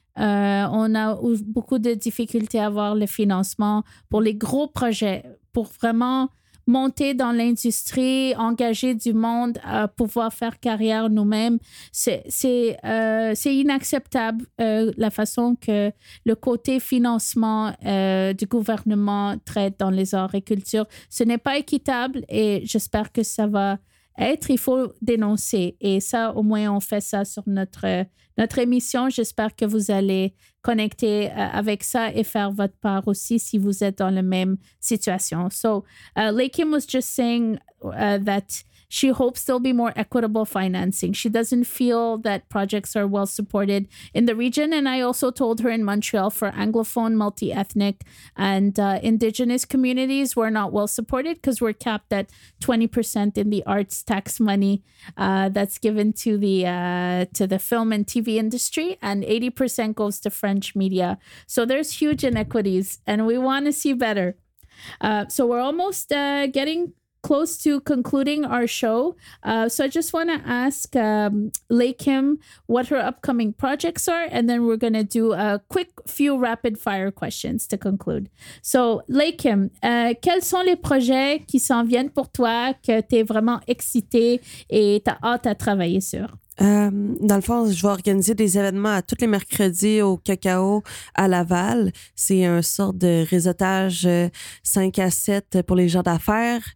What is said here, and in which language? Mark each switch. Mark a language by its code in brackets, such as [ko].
[fr] On a beaucoup de difficultés à avoir le financement pour les gros projets, pour vraiment monter dans l'industrie, engager du monde à pouvoir faire carrière nous-mêmes, c'est inacceptable la façon que le côté financement du gouvernement traite dans les arts et cultures. Ce n'est pas équitable et j'espère que ça va être. Il faut dénoncer et ça, au moins, on fait ça sur notre émission. J'espère que vous allez connecter avec ça et faire votre part aussi si vous êtes dans la même situation. [en] So, Lei Kim was just saying that she hopes there'll be more equitable financing. She doesn't feel that projects are well supported in the region. And I also told her in Montreal for Anglophone, multi-ethnic and Indigenous communities, we're not well supported because we're capped at 20% in the arts tax money that's given to the film and TV industry. And 80% goes to French media. So there's huge inequities and we want to see better. So we're almost getting close to concluding our show. So I just want to ask Lei Kim what her upcoming projects are, and then we're going to do a quick few rapid fire questions to conclude. [fr] So Lei Kim, quels sont les projets qui s'en viennent pour toi que tu es vraiment excitée et tu as hâte à travailler sur? Dans le fond, je vais organiser des événements à tous les mercredis au Cacao à Laval. C'est un sort de réseautage 5 à 7 pour les gens d'affaires.